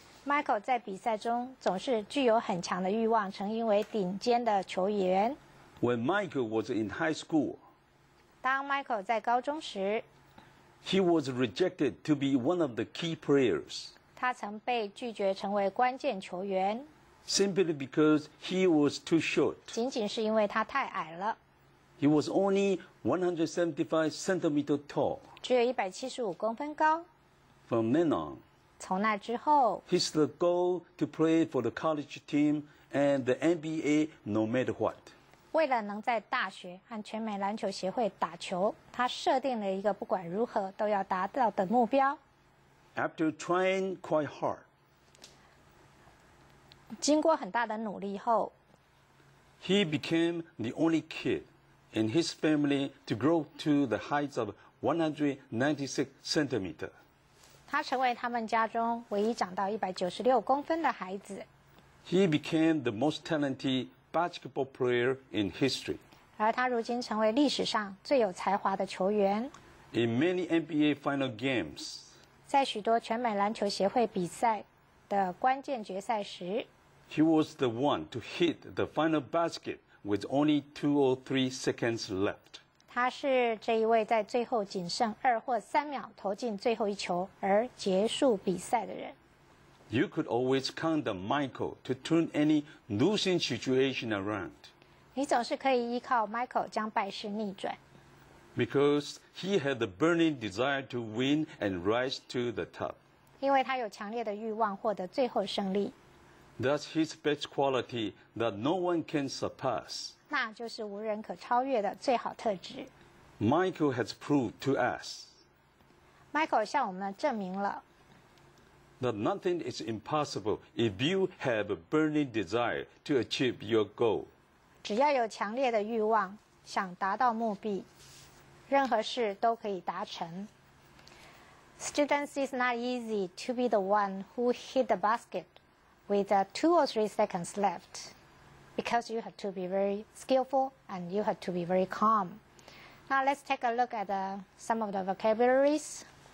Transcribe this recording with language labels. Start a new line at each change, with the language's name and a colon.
Chinese: Michael 在比赛中总是具有很强的欲望成为顶尖的球员。
English: When Michael was in high school,
Chinese: 当 Michael 在高中时
English: he was rejected to be one of the key players.
Chinese: 他曾被拒绝成为关键球员。
English: Simply because he was too short.
Chinese: 仅仅是因为他太矮了。
English: He was only 175 centimeters tall.
Chinese: 只有175公分高。
English: From then on,
Chinese: 从那之后
English: his goal to play for the college team and the NBA no matter what.
Chinese: 为了能在大学和全美篮球协会打球，他设定了一个不管如何都要达到的目标。
English: After trying quite hard,
Chinese: 经过很大的努力后
English: ，He became the only kid in his family to grow to the height of 196 centimeter.
Chinese: 他成为他们家中唯一长到196公分的孩子。
English: He became the most talented basketball player in history.
Chinese: 而他如今成为历史上最有才华的球员。
English: In many NBA final games,
Chinese: 在许多全美篮球协会比赛的关键决赛时。
English: He was the one to hit the final basket with only 2 or 3 seconds left.
Chinese: 他是这一位在最后仅剩二或三秒投进最后一球而结束比赛的人。
English: You could always count on Michael to turn any losing situation around.
Chinese: 你总是可以依靠 Michael 将败势逆转。
English: Because he had the burning desire to win and rise to the top.
Chinese: 因为他有强烈的欲望获得最后胜利。
English: That's his best quality that no one can surpass.
Chinese: 那就是无人可超越的最好特质。
English: Michael has proved to us.
Chinese: Michael 向我们证明了
English: that nothing is impossible if you have a burning desire to achieve your goal.
Chinese: 只要有强烈的欲望想达到目的，任何事都可以达成。
English: Students, it's not easy to be the one who hit the basket. With 2 or 3 seconds left, because you have to be very skillful and you have to be very calm. Now let's take a look at some of the vocabularies.